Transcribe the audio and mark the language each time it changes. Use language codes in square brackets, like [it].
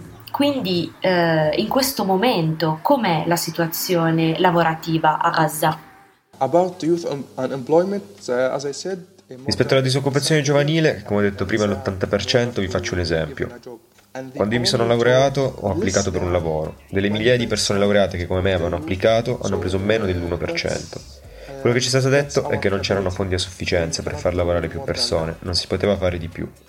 [it] Quindi in questo momento com'è la situazione lavorativa a Gaza? [en] About youth unemployment, as I said, [it] rispetto alla disoccupazione giovanile, come ho detto prima, l'80%, vi faccio un esempio. Quando io mi sono laureato, ho applicato per un lavoro. Delle migliaia di persone laureate che come me avevano applicato, hanno preso meno dell'1%. Quello che ci è stato detto è che non c'erano fondi a sufficienza per far lavorare più persone, non si poteva fare di più.